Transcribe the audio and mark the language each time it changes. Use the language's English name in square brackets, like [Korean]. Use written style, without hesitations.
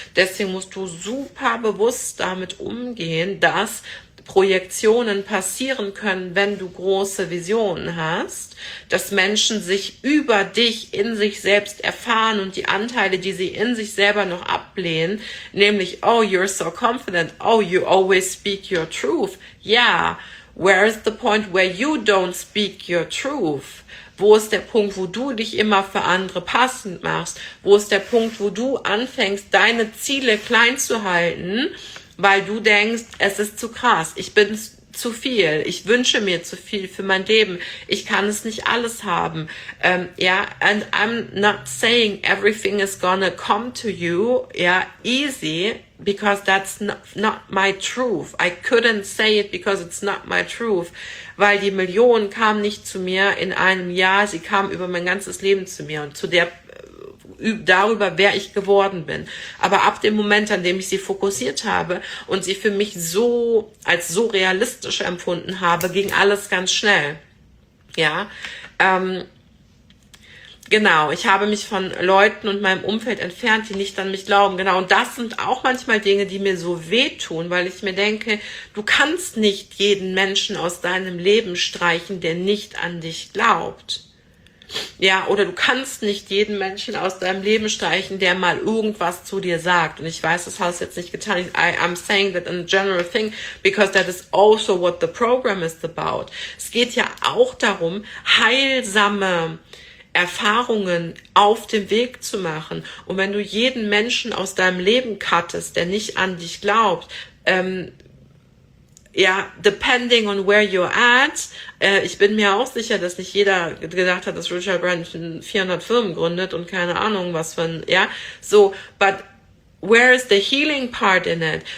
[German] Deswegen musst du super bewusst damit umgehen, dass Projektionen passieren können, wenn du große Visionen hast, dass Menschen sich über dich in sich selbst erfahren und die Anteile, die sie in sich selber noch ablehnen, nämlich, [English] oh, you're so confident, oh, you always speak your truth. Yeah, where is the point where you don't speak your truth? [German] Wo ist der Punkt, wo du dich immer für andere passend machst? Wo ist der Punkt, wo du anfängst, deine Ziele klein zu halten, weil du denkst, es ist zu krass, ich bin zu viel, ich wünsche mir zu viel für mein Leben, ich kann es nicht alles haben. Ja, [English] yeah, and I'm not saying everything is gonna come to you, yeah, easy, because that's not my truth. I couldn't say it, because it's not my truth. [German] Weil die Millionen kamen nicht zu mir in einem Jahr, sie kamen über mein ganzes Leben zu mir und zu der darüber, wer ich geworden bin. Aber ab dem Moment, an dem ich sie fokussiert habe und sie für mich so als so realistisch empfunden habe, ging alles ganz schnell. Ja, genau, ich habe mich von Leuten und meinem Umfeld entfernt, die nicht an mich glauben. Genau, und das sind auch manchmal Dinge, die mir so wehtun, weil ich mir denke, du kannst nicht jeden Menschen aus deinem Leben streichen, der nicht an dich glaubt. Ja, oder du kannst nicht jeden Menschen aus deinem Leben streichen, der mal irgendwas zu dir sagt. Und ich weiß, das hast du jetzt nicht getan. [English] I'm saying that in a general thing, because that is also what the program is about. [German] Es geht ja auch darum, heilsame Erfahrungen auf dem Weg zu machen. Und wenn du jeden Menschen aus deinem Leben cuttest, der nicht an dich glaubt, ja, [English] depending on where you're at, [German] ich bin mir auch sicher, dass nicht jeder gedacht hat, dass Richard Branson 400 Firmen gründet und keine Ahnung was für ein, ja, so, [English] but where is the healing part in it?